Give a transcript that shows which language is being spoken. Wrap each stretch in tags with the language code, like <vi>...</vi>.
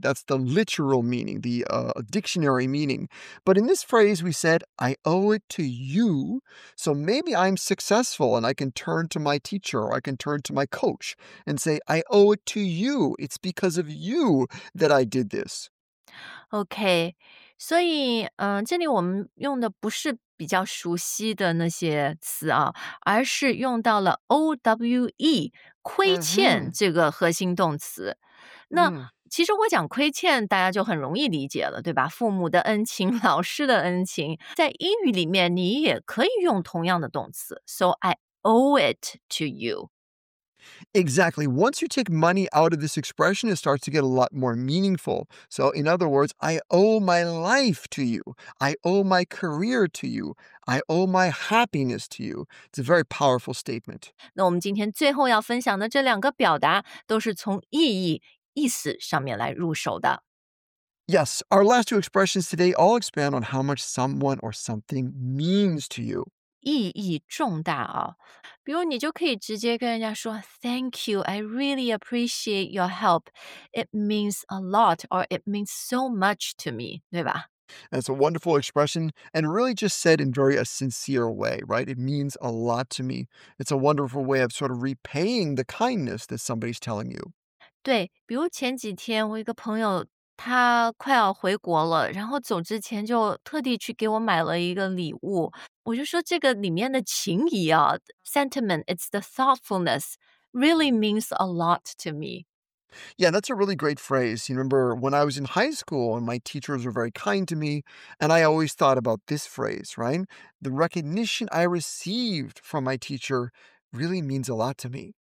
<en>That's the literal meaning, the dictionary meaning. But in this phrase, we said, I owe it to you. So maybe I'm successful and I can turn to my teacher or I can turn to my coach and say, I owe it to you. It's because of you that I did this.</en> <zh>OK, 所以这里我们用的不是比较熟悉的那些词啊而是用到了 OWE, 亏欠这个核心动词。那其实我讲亏欠大家就很容易理解了对吧父母的恩情老师的恩情在英语里面你也可以用同样的动词</zh> <en>So I owe it to you. Exactly. Once you take money out of this expression, it starts to get a lot more meaningful. So in other words, I owe my life to you. I owe my career to you. I owe my happiness to you. It's a very powerful statement.</en> <zh>那我们今天最后要分享的这两个表达都是从意义、意思上面来入手的。</zh> <en>Yes, our last two expressions today all expand on how much someone or something means to you.</en> <zh>意义重大啊、哦、比如你就可以直接跟人家说</zh> <en>Thank you, I really appreciate your help. It means a lot or it means so much to me,</en> <zh>对吧</zh> <en>That's a wonderful expression and really just said in very a sincere way, right? It means a lot to me. It's a wonderful way of sort of repaying the kindness that somebody's telling you.</en> <zh>对比如前几天我一个朋友他快要回国了，然后走之前就特地去给我买了一个礼物。我就说这个里面的情谊啊</zh> <en>，sentiment, it's the thoughtfulness, really means a lot to me. Yeah, that's a really great phrase. You remember when I was in high school and my teachers were very kind to me, and I always thought about this phrase, right? The recognition I received from my teacher really means a lot to me.</en>